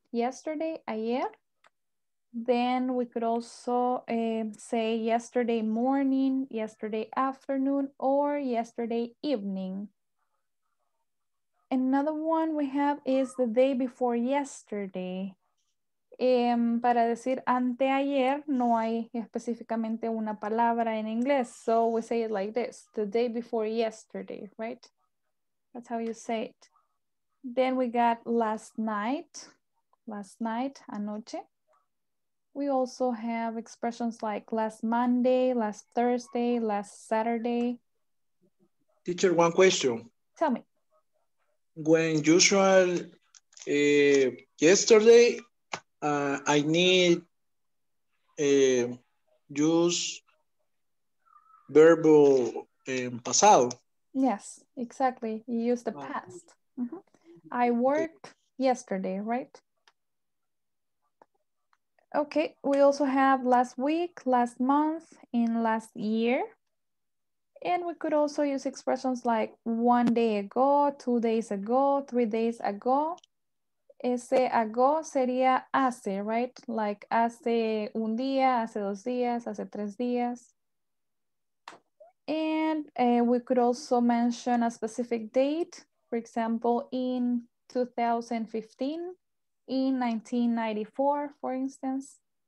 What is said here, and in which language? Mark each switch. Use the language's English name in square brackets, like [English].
[English] Yesterday, ayer. Then we could also say yesterday morning, yesterday afternoon, or yesterday evening. Another one we have is the day before yesterday. [Spanish] Para decir anteayer, no hay específicamente una palabra en inglés. [English] So we say it like this, the day before yesterday, right? That's how you say it. Then we got last night, anoche. We also have expressions like last Monday, last Thursday, last Saturday. Teacher, one question. Tell me. When usual yesterday, I need use verbo pasado. Yes, exactly. You use the past. Mm-hmm. I worked yesterday, right? Okay, we also have last week, last month, and last year. And we could also use expressions like one day ago, 2 days ago, 3 days ago. [Spanish] Ese ago sería hace, right? Like hace un día, hace dos días, hace tres días. [English] And we could also mention a specific date, for example, in 2015, in 1994, for instance.